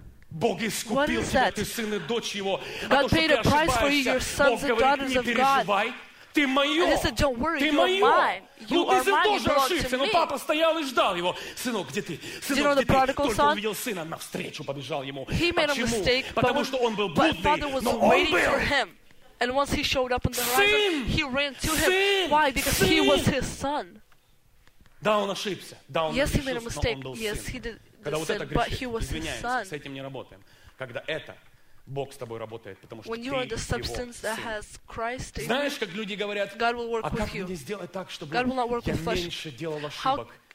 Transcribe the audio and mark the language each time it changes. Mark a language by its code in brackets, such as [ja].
[ru] Бог искупил тебя, ты сын и дочь Его. А то, что ты ошибаешься, Бог говорит, не переживай, ты мое, ты мое. Ну, ты сын тоже ошибся, но папа стоял и ждал его. Сынок, где ты? Сынок, где ты? Только увидел сына, навстречу побежал ему. Почему? Потому что он был блудный, но он был. [en] And once he showed up on the horizon, he ran to him. Why? Because he was his son. [ru] Да, он ошибся. Да, он ошибся, но он был сын. Когда вот это грешит, извиняемся, с этим не работаем. Когда это, Бог с тобой работает, потому что ты Его сын. Знаешь, как люди говорят, а как мне сделать так, чтобы я меньше делал ошибок?